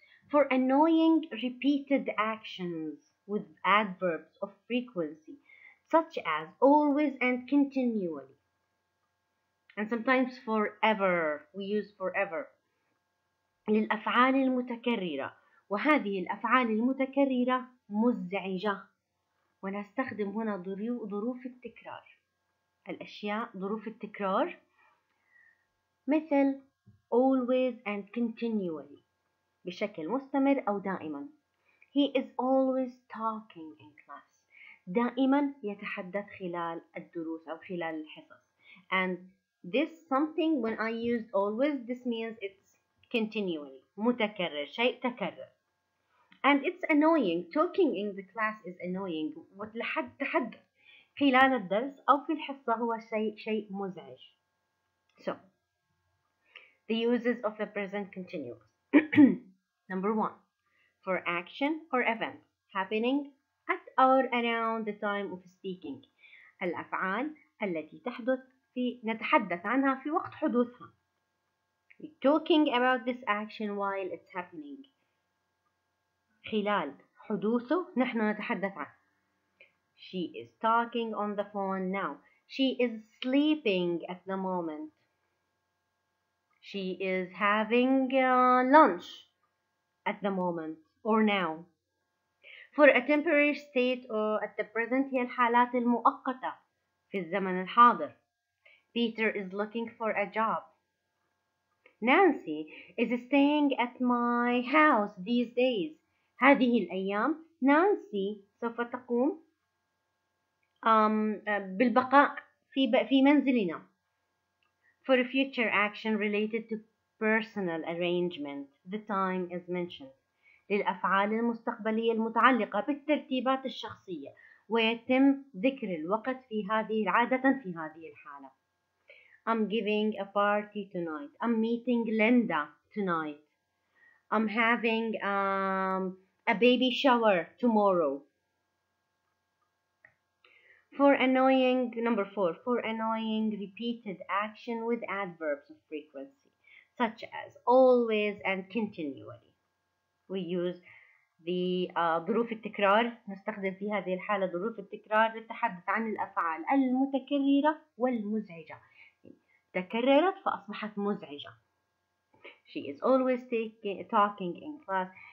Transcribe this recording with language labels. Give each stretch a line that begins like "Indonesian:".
English: For annoying repeated actions with adverbs of frequency, such as always and continually. And sometimes forever. We use forever.
Arabic: للأفعال المتكررة وهذه الأفعال المتكررة مزعجة ونستخدم هنا ظروف التكرار الأشياء ظروف التكرار مثل
English: always and continually
Arabic: بشكل مستمر أو دائما.
English: He is always talking in class.
Arabic: دائما يتحدث خلال الدروس أو خلال الحصص.
English: And this something when I used always, this means it's continually.
Arabic: متكرر, شيء تكرر.
English: And it's annoying. Talking in the class is annoying.
Arabic: لحد تحد خلال الدرس أو في الحصة هو شيء مزعج.
English: So, the uses of the present continuous. Number one, for action or event happening at or around the time of speaking.
Arabic: الأفعال التي تحدث في نتحدث عنها في وقت حدوثها.
English: Talking about this action while it's happening.
Arabic: خلال حدوثه نحن نتحدث عنه.
English: She is talking on the phone now. She is sleeping at the moment. She is having lunch at the moment or now. For a temporary state or at the present,
Arabic: هي الحالات المؤقتة في الزمن الحاضر.
English: Peter is looking for a job. Nancy is staying at my house these days.
Arabic: هذه الأيام نانسي سوف تقوم بالبقاء في منزلنا.
English: For a future action related to personal arrangement, the time is mentioned.
Arabic: للأفعال المستقبلية المتعلقة بالترتيبات الشخصية ويتم ذكر الوقت في هذه عادة في هذه الحالة.
English: I'm giving a party tonight. I'm meeting Linda tonight. I'm having a baby shower tomorrow. For annoying, number four, for annoying repeated action with adverbs of frequency, such as always and continually. We use the
Arabic: ظروف التكرار, نستخدم في هذه الحالة ظروف التكرار للتحدث عن الأفعال المتكررة والمزعجة. تكررت فأصبحت مزعجة.
English: She is always talking in class.